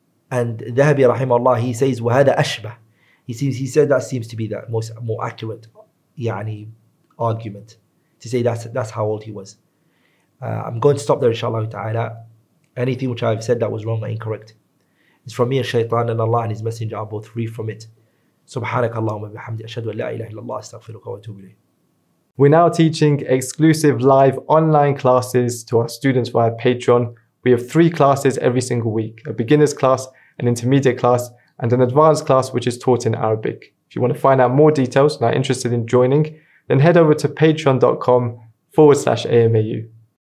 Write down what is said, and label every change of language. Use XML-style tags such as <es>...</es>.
<en>And Dhahabi رحمه الله, he says,</en> <ar>وَهَذَا أَشْبَهُ</ar> <en>he said that seems to be the more accurate يعني, argument to say that's how old he was. I'm going to stop there, inshallah ta'ala. Anything which I've said that was wrong or incorrect, it's from me and Shaytan, and Allah and His Messenger are both free from it.</en> <ar>سبحانك اللهم وبحمدك أشهد أن لا إله إلا الله أستغفرك وأتوب إليك.</ar> <en>We're now teaching exclusive live online classes to our students via Patreon. We have 3 classes every single week, a beginner's class, an intermediate class, and an advanced class which is taught in Arabic. If you want to find out more details and are interested in joining, then head over to patreon.com/AMAU.</en>